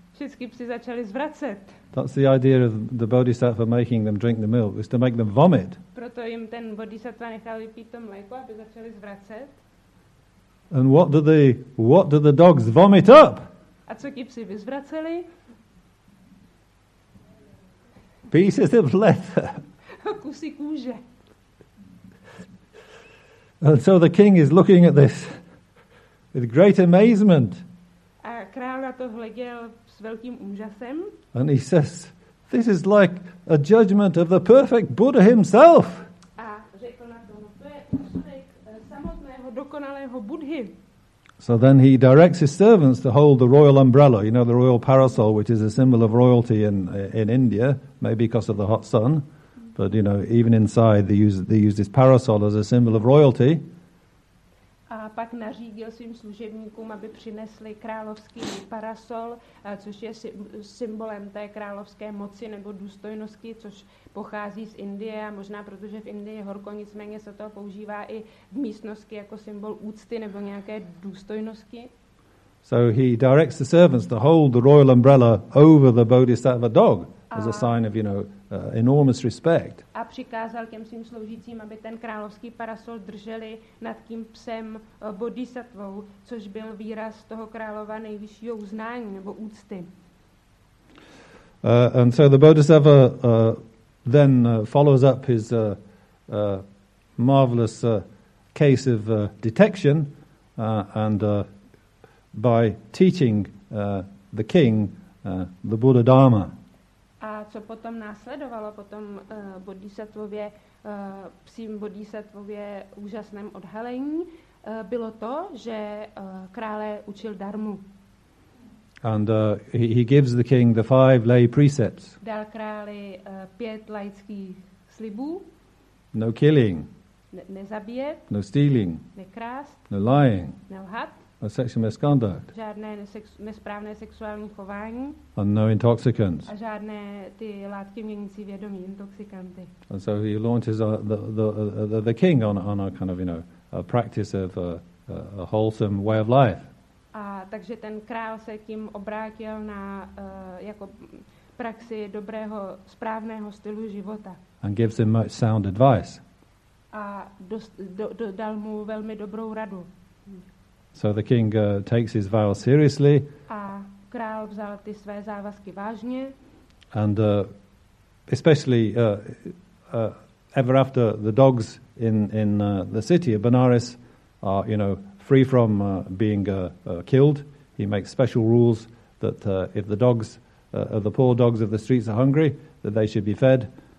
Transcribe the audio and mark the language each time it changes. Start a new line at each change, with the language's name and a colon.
Czech: Všichni psi začali zvracet.
English: That's the idea of the bodhisattva making them drink the milk, is to make them vomit.
Czech: Proto jim ten bodhisattva nechal vypít to mléko, aby začali zvracet.
English: And what do the dogs vomit up?
Czech: A co ti psi vyzvraceli?
English: Pieces of leather.
Czech: Kusy kůže.
English: And so the king is looking at this with great amazement.
Czech: A král na to hleděl s velkým úžasem.
English: And he says, this is like a judgment of the perfect Buddha himself.
Czech: A řekl na to, no to je úsudek samotného dokonalého Buddhy.
English: So then he directs his servants to hold the royal umbrella, you know, the royal parasol, which is a symbol of royalty in India, maybe because of the hot sun. But, you know, even inside, they use this parasol as a symbol of royalty.
Czech: A pak nařídil svým služebníkům, aby přinesli královský parasol, což je symbolem té královské moci nebo důstojnosti, což pochází z Indie a možná protože v Indii je horko, nicméně se to používá i v místnosti jako symbol úcty nebo nějaké důstojnosti.
English: So he directs the servants to hold the royal umbrella over the bodhisattva dog as a sign of, you know, enormous respect.
Czech: A přikázal těm svým sloužícím, aby ten královský parasol drželi nad tím psem bodhisattvou, což byl výraz toho králova nejvyššího uznání nebo úcty.
English: And so the bodhisattva then follows up his marvelous case of detection by teaching the king the Buddha Dharma.
Czech: A co potom následovalo potom bodhisattvově, psím bodhisattvově úžasném odhalení, bylo to, že krále učil dharmu.
English: And he gives the king the five lay precepts.
Czech: Dal králi pět laických slibů.
English: No killing.
Czech: Nezabíjet.
English: No stealing.
Czech: Nekrást.
English: No lying.
Czech: Nelhat.
English: No sexual misconduct.
Czech: Žádné nesprávné sexuální chování.
English: And no intoxicants.
Czech: A žádné ty látky měnící vědomí, intoxikanty.
English: And so he launches the king on a kind of, you know, a practice of a wholesome way of life.
Czech: A takže ten král se tím obrátil na jako praxi dobrého správného stylu života.
English: And gives him much sound advice.
Czech: A dal mu velmi dobrou radu.
English: So the king takes his vow seriously.
Czech: A král vzal ty své závazky vážně.
English: And especially ever after the dogs in the city of Benares are, you know, free from being killed, he makes special rules that if the dogs, the poor dogs of the streets are hungry, that they should be fed.